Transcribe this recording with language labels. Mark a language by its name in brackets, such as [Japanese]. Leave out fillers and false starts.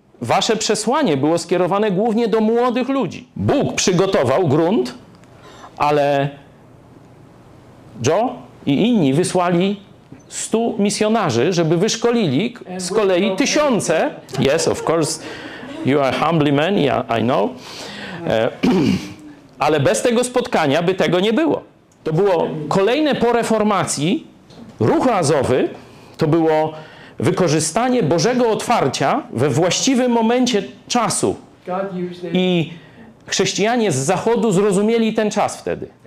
[Polish] Wasze przesłanie było skierowane głównie do młodych ludzi. Bóg przygotował grunt, ale Joe i inni wysłali 100 misjonarzy, żeby wyszkolili z kolei tysiące. [English] Yes, of course, you are humbly men, yeah, I know. [Polish] Ale bez tego spotkania by tego nie było. To było kolejne po reformacji. Ruch azowy to było wykorzystanie Bożego otwarcia we właściwym momencie czasu. I chrześcijanie z zachodu zrozumieli ten czas wtedy.